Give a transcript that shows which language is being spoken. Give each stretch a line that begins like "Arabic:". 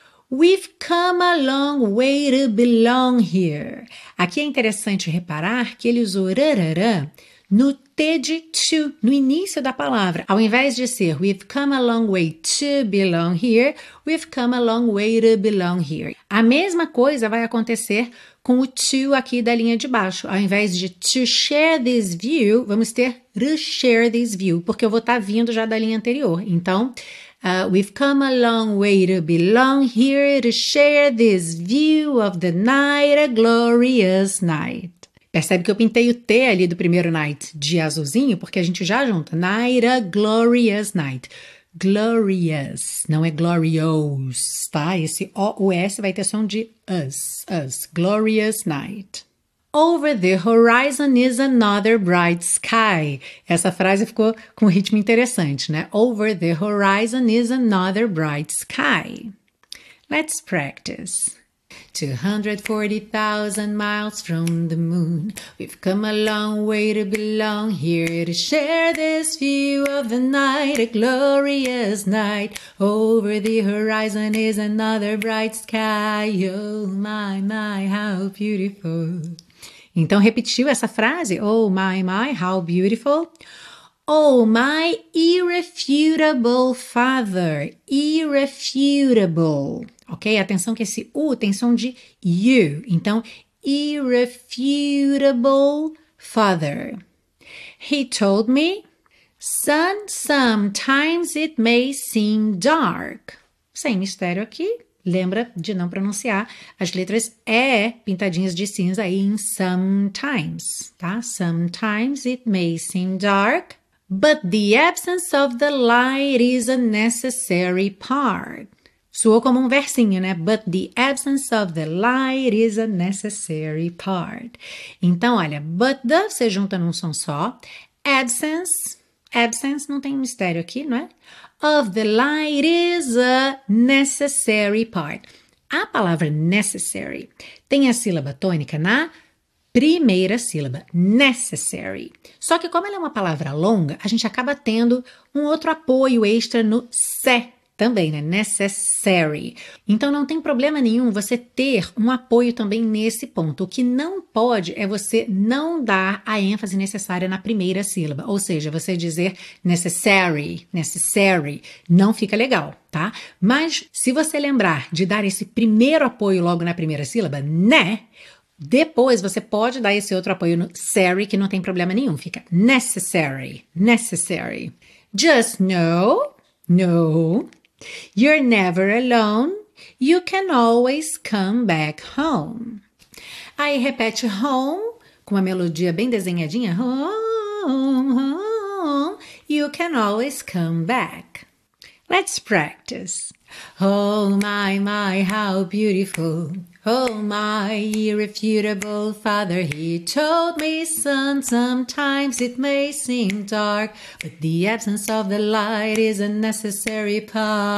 English: We've come a long way to belong here.
Portuguese: Aqui é interessante reparar que ele usou rarará no T de to, no início da palavra. Ao invés de ser
English: we've come a long way to belong here, we've come a long way to belong here.
Portuguese: A mesma coisa vai acontecer com o to aqui da linha de baixo. Ao invés de
English: to share this view,
Portuguese: vamos ter to share this view, porque eu vou estar vindo já da linha anterior.
English: Então, we've come a long way to belong here, to share this view of the night, a glorious night.
Portuguese: Percebe que eu pintei o T ali do primeiro night de azulzinho, porque a gente já junta.
English: Night, a glorious night. Glorious,
Portuguese: não é
English: glorious, tá?
Portuguese: Esse O-U-S vai ter som de us, us.
English: Glorious night. Over the horizon is another bright sky.
Portuguese: Essa frase ficou com um ritmo interessante, né?
English: Over the horizon is another bright sky. Let's practice. 240,000 miles from the moon. We've come a long way to belong here, to share this view of the night, a glorious night. Over the horizon is another bright sky. Oh my, my, how beautiful.
Portuguese: Então repetiu essa frase.
English: Oh my, my, how beautiful. Oh my irrefutable father. Irrefutable. Ok?
Portuguese: Atenção que esse U tem som de U.
English: Então, irrefutable father. He told me, son, sometimes it may seem dark.
Portuguese: Sem mistério aqui. Lembra de não pronunciar as letras E pintadinhas de cinza em sometimes, tá?
English: Sometimes it may seem dark, but the absence of the light is a necessary part.
Portuguese: Soou como um versinho, né?
English: But the absence of the light is a necessary part.
Portuguese: Então, olha,
English: but the,
Portuguese: você junta num som só. Absence, absence não tem mistério aqui, não é?
English: Of the light is a necessary part.
Portuguese: A palavra necessary tem a sílaba tônica na primeira sílaba, necessary. Só que como ela é uma palavra longa, a gente acaba tendo um outro apoio extra no se também, né? Necessary. Então não tem problema nenhum você ter um apoio também nesse ponto. O que não pode é você não dar a ênfase necessária na primeira sílaba. Ou seja, você dizer necessary, necessary, não fica legal, tá? Mas se você lembrar de dar esse primeiro apoio logo na primeira sílaba, né? Depois você pode dar esse outro apoio no necessary, que não tem problema nenhum. Fica necessary, necessary.
English: Just know, no, you're never alone. You can always come back home.
Portuguese: Aí repete home com uma melodia bem desenhadinha.
English: Home, home, you can always come back. Let's practice. Oh my, my, how beautiful. Oh my, irrefutable father, he told me, son, sometimes it may seem dark, but the absence of the light is a necessary part.